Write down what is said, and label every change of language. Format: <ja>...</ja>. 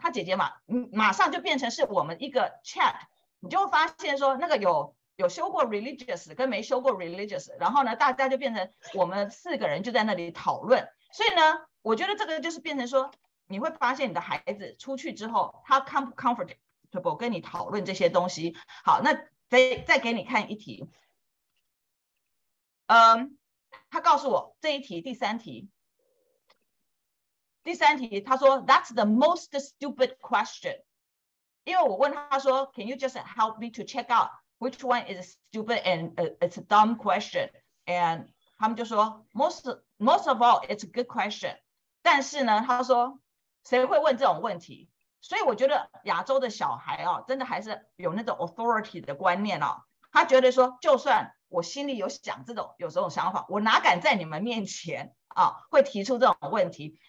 <zh>他姐姐嘛，马上就变成是我们一个 chat， 你就发现说那个有修过 religious 跟没修过 religious， 然后呢大家就变成我们四个人就在那里讨论。所以呢我觉得这个就是变成说，你会发现你的孩子出去之后他 comfortable 跟你讨论这些东西。好，那再给你看一题，他告诉我这一题第三题他说</zh> <en>That's the most stupid question，</en> <zh>因为我问他说</zh> <en>Can you just help me to check outWhich one is stupid and it's a dumb question? And</en> <zh>他们就说</zh> <en>most of all, it's a good question.</en> <zh>但是呢，他说谁会问这种问题？所以我觉得亚洲的小孩啊，真的还是有那种 authority 的观念啊。他觉得说，就算我心里有想这种有这种想法，我哪敢在你们面前啊会提出这种问题？</zh>